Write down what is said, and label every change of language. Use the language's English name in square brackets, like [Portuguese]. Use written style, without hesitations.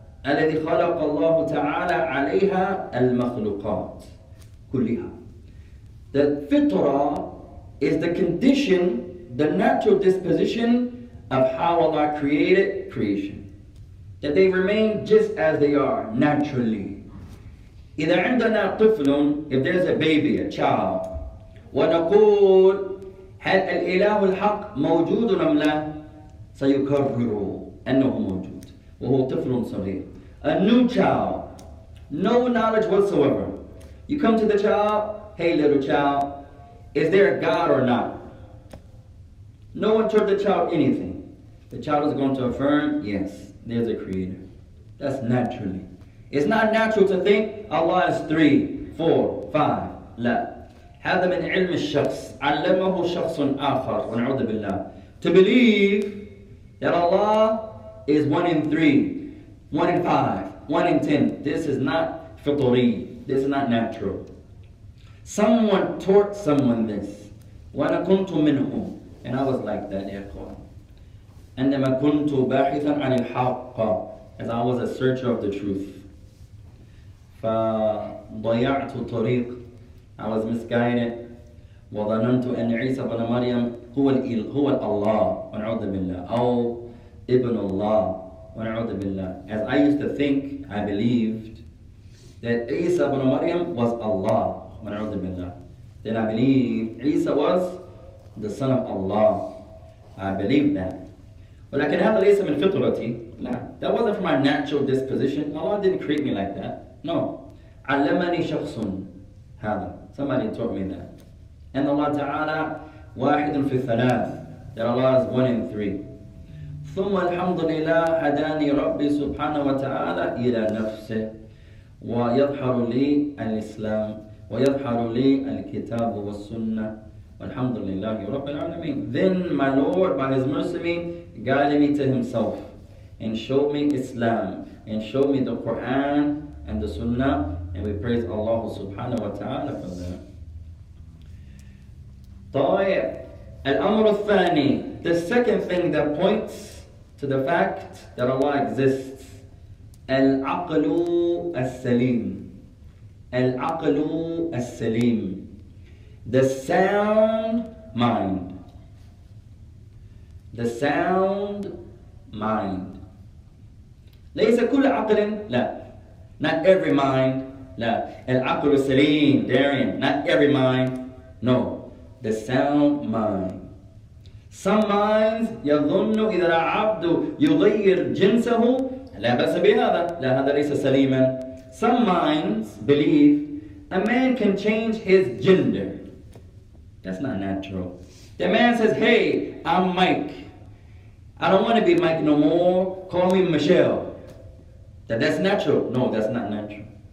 [Arabic] الذي خلق الله تعالى عليها المخلوقات كلها. [English] The fitra is the condition, the natural disposition of how Allah created creation. That they remain just as they are, naturally. [Arabic] إذا عندنا طفل, [English] if there's a baby, a child, [Arabic] ونقول هل الإله الحق موجود أم لا؟ سيكرر أنه موجود وهو طفل صغير. [English] A new child, no knowledge whatsoever. You come to the child, hey little child, is there a God or not? No one told the child anything. The child is going to affirm, yes, there's a creator. That's naturally. It's not natural to think Allah is 3, 4, 5. [Arabic] لا. هذا من علم الشخص. علمه شخص آخر. ونعوذ بالله. [English] To believe that Allah is 1 in 3, 1 in 5, 1 in 10. This is not fitri. This is not natural. Someone taught someone this. [Arabic] وأنا كنت منهم. [English] And I was like that, إخوان. [Arabic] عندما كنت باحثا عن الحق. [English] As I was a searcher of the truth. [Arabic] فضيعت طريق. [English] I was misguided. [Arabic] وظننت أن عيسى بن مريم هو الإله هو الله. ونعوذ بالله. أو ابن الله. ونعوذ بالله. [English] As I used to think, I believed that Isa ibn Maryam was Allah. Then I believed Isa was the son of Allah. I believed that. But I can have Isa [Arabic] min fitrati. [English] That wasn't from my natural disposition. Allah didn't create me like that. [Arabic] No. علمني شخص هذا. [English] Somebody taught me that. And Allah Ta'ala [Arabic] واحد في الثلاث. [English] That Allah is 1 in 3. [Arabic] ثم الحمد لله هداني ربي سبحانه وتعالى إلى نفسه. ويظهر لي الإسلام ويظهر لي الكتاب والسنة والحمد لله رب العالمين. [English] Then my Lord by His mercy guided me to Himself and showed me Islam and showed me the Quran and the Sunnah, and we praise Allah subhanahu wa ta'ala for that. [Arabic] طيب الأمر الثاني. [English] The second thing that points to the fact that Allah exists. [Arabic] العقل السليم. العقل السليم. [English] The sound mind. The sound mind. [Arabic] ليس كل عقل. لا. [English] Not every mind. [Arabic] لا. العقل السليم. [English] Darian. Not every mind. No. The sound mind. Some minds [Arabic] يظن إذا العبد يغير جنسه لا بأس بهذا. لا هذا ليس سليما. [English] Some minds believe a man can change his gender. That's not natural. The man says, hey, I'm Mike. I don't want to be Mike no more. Call me Michelle. That's natural. No, that's not natural.